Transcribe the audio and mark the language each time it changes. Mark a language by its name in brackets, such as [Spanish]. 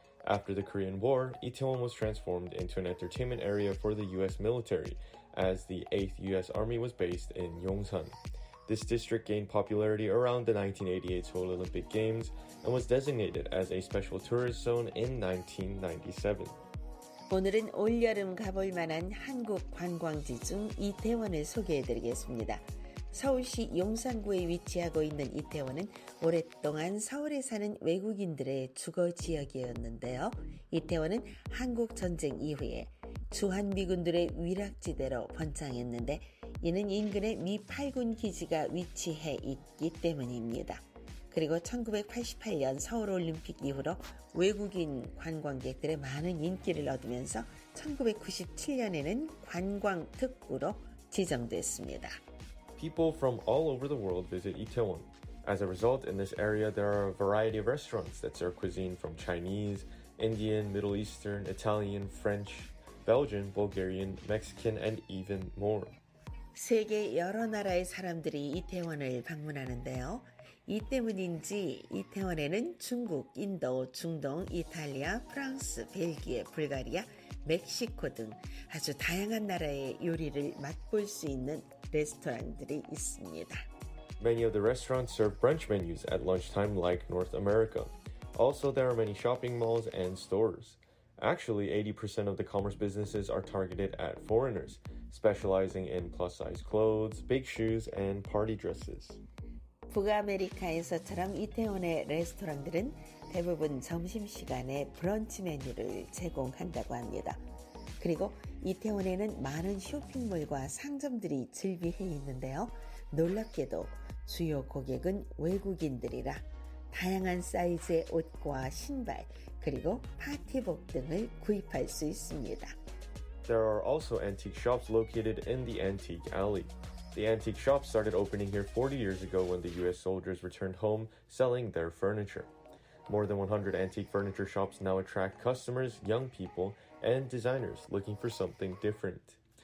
[English] After the Korean War, Itaewon was transformed into an entertainment area for the U.S. military, as the 8th U.S. Army was based in Yongsan. This district gained popularity around the 1988 Seoul Olympic Games and was designated as a special tourist zone in 1997. [Korean] 오늘은 올여름 가볼 만한 한국 관광지 중 이태원을 소개해드리겠습니다. 서울시 용산구에 위치하고 있는 이태원은 오랫동안 서울에 사는 외국인들의 주거지역이었는데요. 이태원은 한국전쟁 이후에 주한미군들의 위락지대로 번창했는데 이는 인근에 미 8군 기지가 위치해 있기 때문입니다. 그리고 1988년 서울올림픽 이후로 외국인 관광객들의 많은 인기를 얻으면서 1997년에는 관광특구로 지정됐습니다. [English] People from all over the world visit Itaewon. As a result, in this area, there are a variety of restaurants that serve cuisine from Chinese, Indian, Middle Eastern, Italian, French, Belgian, Bulgarian, Mexican, and even more. [Korean] 세계 여러 나라의 사람들이 이태원을 방문하는데요. 이 때문인지 이태원에는 중국, 인도, 중동, 이탈리아, 프랑스, 벨기에, 불가리아, 멕시코 등 아주 다양한 나라의 요리를 맛볼 수 있는 레스토랑들이 있습니다. [English] Many of the restaurants serve brunch menus at lunchtime like North America. Also, there are many shopping malls and stores. Actually, 80% of the commerce businesses are targeted at foreigners, specializing in plus-size clothes, big shoes, and party dresses. [Korean] 북아메리카에서처럼 이태원의 레스토랑들은 대부분 점심시간에 브런치 메뉴를 제공한다고 합니다. 그리고 이태원에는 많은 쇼핑몰과 상점들이 즐비해 있는데요. 놀랍게도 주요 고객은 외국인들이라 다양한 사이즈의 옷과 신발, 그리고 파티복 등을 구입할 수 있습니다. [English] There are also antique shops located in the Antique Alley. The antique shop started opening here 40 years ago when the U.S. soldiers returned home selling their furniture. More than 100 antique furniture shops now attract customers, young people, and designers looking for something different.